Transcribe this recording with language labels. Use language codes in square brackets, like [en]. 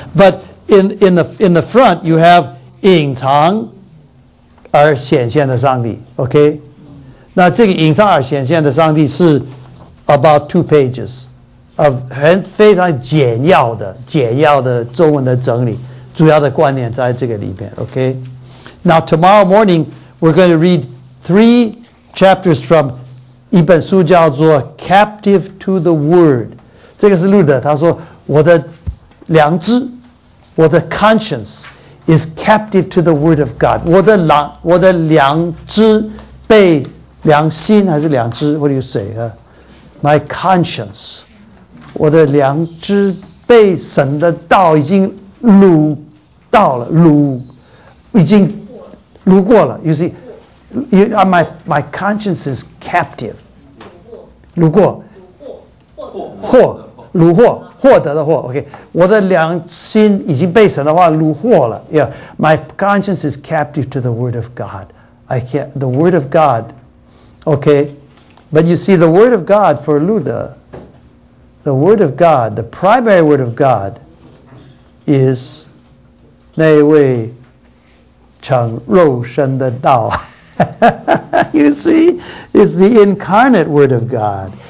[en] But in the front you have [zh] 隐藏而显现的上帝 [en] okay? [zh] 那这个隐藏而显现的上帝是 [en] about 2 pages of [zh] 很非常简要的中文的整理主要的观念在这个里面。 [en] OK, now tomorrow morning we're going to read three chapters from [zh] 一本书叫做 [en] "Captive to the Word"。 [zh] 这个是路德，他说我的良知，我的 [en] conscience is captive to the Word of God。 [zh] 我的良知被良心还是良知 ？ [en] What do you say?、 My conscience, [zh] 我的良知被神的道已经掳到了，掳已经掳过了。 [en] You see, my conscience is captive. [zh] 掳过，获掳获获得的获。 OK, 我的良心已经被神的话掳获了。 [en] Yeah, my conscience is captive to the Word of God. I can't the Word of God. OK. But you see, the Word of God for Luther, the Word of God, the primary Word of God, is [zh] 那位成肉身的道 [en] You see, it's the incarnate Word of God.